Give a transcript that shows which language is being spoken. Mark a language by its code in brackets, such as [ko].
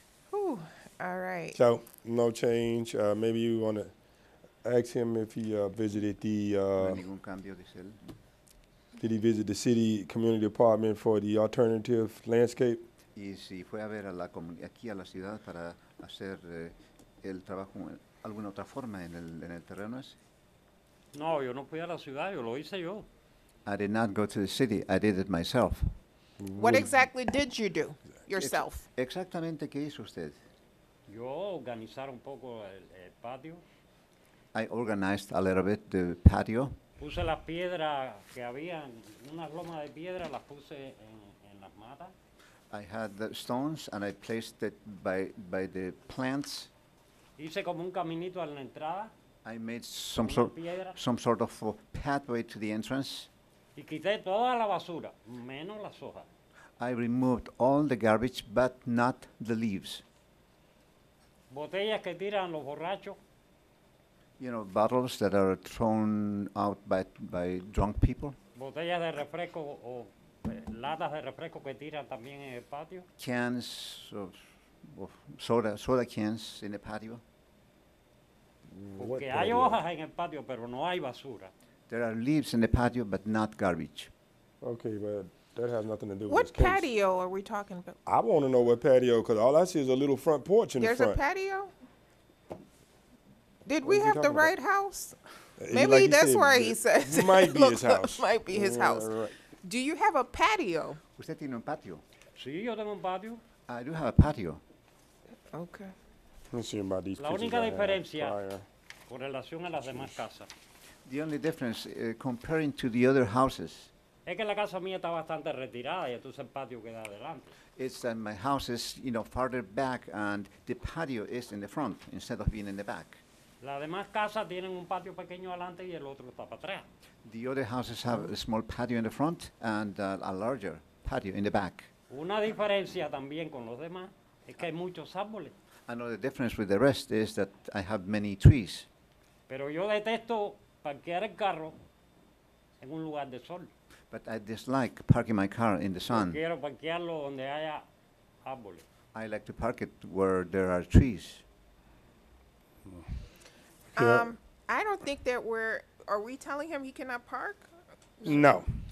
[en] Whew. All right. So, no change. Maybe you want to ask him if he visited the... [es] ningún cambio, dice él. [en] Did he visit the city community department for the alternative landscape? [es] Y si fue a ver a la aquí a la ciudad para hacer el trabajo alguna otra forma en el terreno ese. No, yo no fui a la ciudad, yo lo hice yo. [en] I did not go to the city, I did it myself. What exactly did you do yourself? [es] Exactamente, ¿qué hizo usted? Yo organizar un poco el patio. [en] I organized a little bit the patio. [es] Puse las piedras que habían, una loma de piedra, las puse en las matas. [en] I had the stones and I placed it by the plants. [es] Hice como un caminito a la entrada. [en] I made some sort of a pathway to the entrance. [es] Y quité toda la basura, menos las hojas. [en] I removed all the garbage, but not the leaves. [es] Botellas que tiran los borrachos. [en] You know, bottles that are thrown out by drunk people. [es] Botellas de refresco o latas de refresco que tiran también en el patio. [en] Cans of soda cans in the patio. [es] Porque hay hojas en el patio, pero no hay basura. [en] There are leaves in the patio, but not garbage. Okay, but that has nothing to do with this case. What patio are we talking about? I want to know what patio, because all I see is a little front porch in the front. There's a patio? Did we have the right house? Maybe that's why he says it. Might be his house. Might be his house. Do you have a patio? [es] Usted tiene un patio. Sí, yo tengo un patio. [en] I do have a patio. Okay. Let's see about these pictures. [es] La única diferencia con relación a las demás casas. [en] The only difference comparing to the other houses. [es] Es que la casa mía está bastante retirada y entonces el patio queda adelante. [en] It's that my house is, you know, farther back and the patio is in the front instead of being in the back. [es] Las demás casas tienen un patio pequeño adelante y el otro está para atrás. [en] The other houses have a small patio in the front and a larger patio in the back. [es] Una diferencia también con los demás es que hay muchos árboles. [en] Another difference with the rest is that I have many trees. [es] Pero yo detesto parquear el carro en un lugar de sol. [en] But I dislike parking my car in the sun. [es] Quiero parquearlo donde haya árboles. [en] I like to park it where there are trees. I don't think that we're, are we telling him he cannot park? No.